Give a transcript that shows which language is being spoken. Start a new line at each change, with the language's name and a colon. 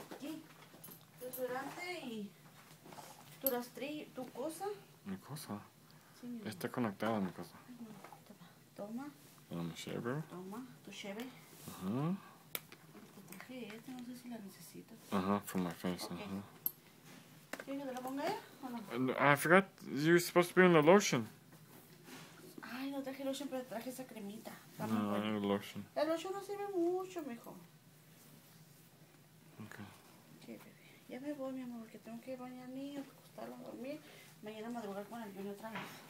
Spanish: Aquí. Desodorante y tu rastrillo, tu cosa. ¿Mi cosa? Sí, está conectada a mi cosa. Toma. Toma, shaver. Toma, tu shaver. Ajá. Te traje este, no sé si la necesitas.
English: Ajá, for my face, ajá. Okay.
Spanish: ¿Quieres que te la ponga ella, o no?
English: I forgot, you're supposed to be in the lotion.
Spanish: Ay, no traje lotion, pero traje esa cremita. Dame no,
English: I need lotion.
Spanish: La lotion no sirve mucho, mijo. Ok. Sí, bebé. Ya me voy, mi amor, porque tengo que ir a bañar a mí, acostarlo a dormir. Mañana a madrugar con el niño otra vez.